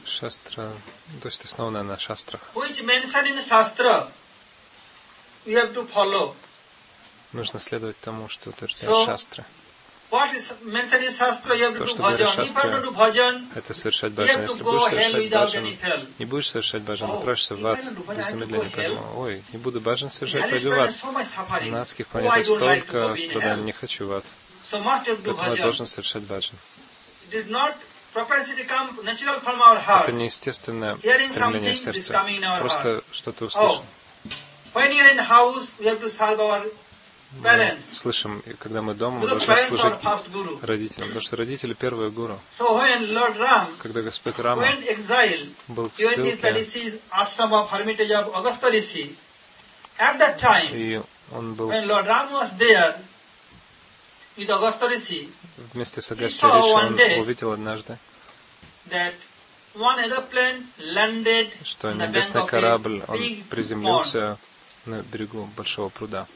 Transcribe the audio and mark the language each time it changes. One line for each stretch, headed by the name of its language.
Russian: Шастра, то есть основанная на шастрах.
English: Which mentioned in шастра. We have to follow.
Russian: Нужно следовать тому, что утверждает шастра.
English: What is mentioned in шастра, you have to do bhajan. If you don't do bhajan, you have to go hell without any hell.
Russian: Не будешь совершать бхаджан, отправишься в ад без замедления. Поэтому, ой, не буду бхаджан совершать, пойду в ад. У нас в планете столько страданий, не хочу в ад. Поэтому я должен совершать бхаджан. Это не естественное стремление сердца. Просто что-то услышал.
English: When you are in house, we have to serve our parents.
Russian: Мы слышим, когда мы дома, мы должны служить родителям, потому что родители первые гуру.
English: So when Lord Ram,
Russian: когда Господь Рама
English: went exile,
Russian: был в ссылке,
English: he went to the ashram of hermitage of Agastya Rishi. At that time, when Lord Ram was there with Agastya Rishi,
Russian: вместе с Агастьей Риши, он увидел однажды,
English: that one aeroplane landed on the bank of a big pond.
Russian: Корабль, он приземлился на берегу большого пруда.